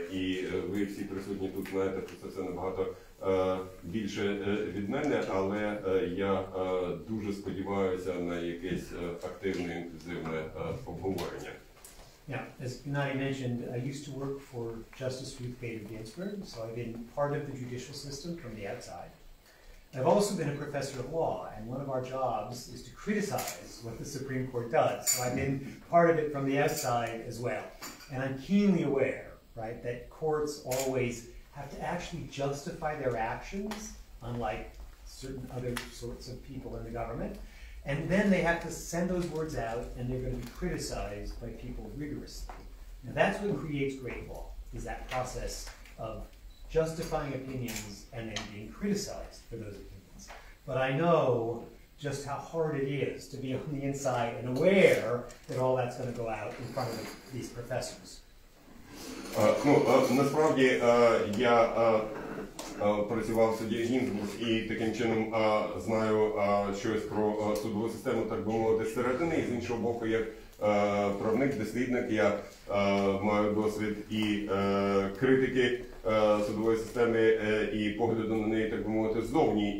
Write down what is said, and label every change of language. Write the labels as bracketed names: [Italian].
[Ukrainian] І ви всі присутні тут знаєте, що це все набагато більше від мене, але я дуже сподіваюся на якесь активне, інклюзивне обговорення. [English] Now, as Geннадій mentioned, I used to work for Justice Ruth Bader Ginsburg, so I've been part of the judicial system from the outside. I've also been a professor of law, and one of our jobs is to criticize what the Supreme Court does, so I've been part of it from the outside as well. And I'm keenly aware, right, that courts always have to actually justify their actions, unlike certain other sorts of people in the government. And then they have to send those words out, and they're going to be criticized by people rigorously. Now that's what creates great law, is that process of justifying opinions and then being criticized for those opinions. But I know just how hard it is to be on the inside and aware that all that's going to go out in front of these professors. [Ukrainian] Насправді, я працював в суді Гінзбург і таким чином знаю щось про судову систему, так би мовити, зсередини. І з іншого боку, як правник, дослідник, я маю досвід і критики судової системи, і погляду на неї, так би мовити, ззовні.